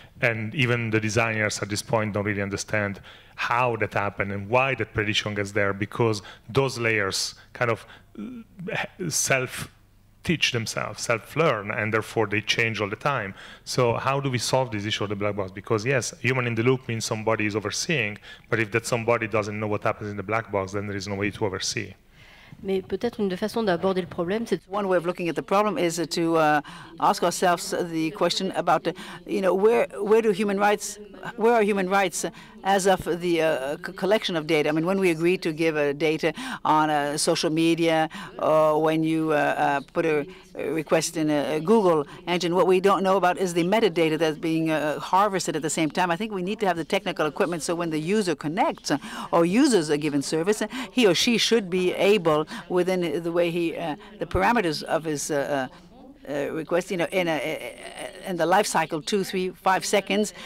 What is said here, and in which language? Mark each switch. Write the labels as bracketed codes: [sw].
[en] And even the designers at this point don't really understand how that happened and why that prediction gets there, because those layers kind of self-teach themselves, self-learn, and therefore they change all the time. So how do we solve this issue of the black box? Because yes, human in the loop means somebody is overseeing, but if that somebody doesn't know what happens in the black box, then there is no way to oversee. [fr] Mais peut-être une façon d'aborder le problème, c'est [en] one way of looking at the problem is to ask ourselves the question about, you know, where are human rights as of the collection of data. I mean, when we agree to give data on social media, or when you put a request in a Google engine, what we don't know about is the metadata that's being harvested at the same time. I think we need to have the technical equipment so when the user connects or uses a given service, he or she should be able, within the way he, the parameters of his request, you know, in the life cycle, 2, 3, 5 seconds.